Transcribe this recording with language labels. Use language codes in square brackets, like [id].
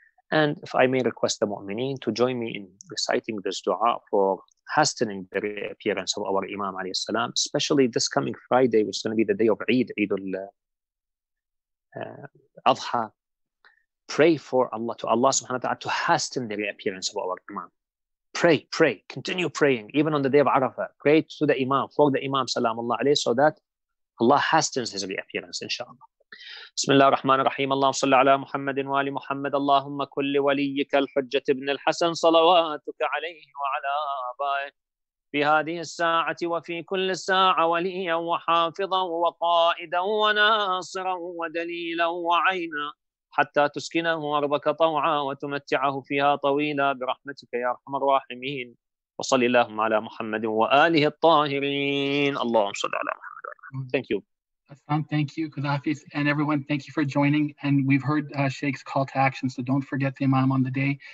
[en] And if I may request the mu'mineen to join me in reciting this dua for hastening the reappearance of our Imam alayhi salam, especially this coming Friday, which is going to be the day of Eid, Eidul Adha. Pray for Allah, to Allah subhanahu wa ta'ala, to hasten the reappearance of our Imam. Pray, pray, continue praying, even on the day of Arafah. Pray to the Imam, for the Imam salamullah alayhi, so that Allah hastens his reappearance, inshaAllah. [ar] بسم الله الرحمن الرحيم اللهم صل على محمد وآل محمد اللهم كل وليك الحجة ابن الحسن صلواتك عليه وعلى آبائه في هذه الساعة وفي كل ساعة وليا وحافظا وقائدا وناصرا ودليلا وعينا حتى تسكنه أرضك طوعا وتمتعه فيها طويلا برحمتك يا أرحم الراحمين وصل اللهم على محمد وآله الطاهرين اللهم صل على محمد [en] Thank you. Hassan, thank you, Kadhafis, and everyone, thank you for joining. And we've heard Sheikh's call to action, so don't forget the Imam on the day.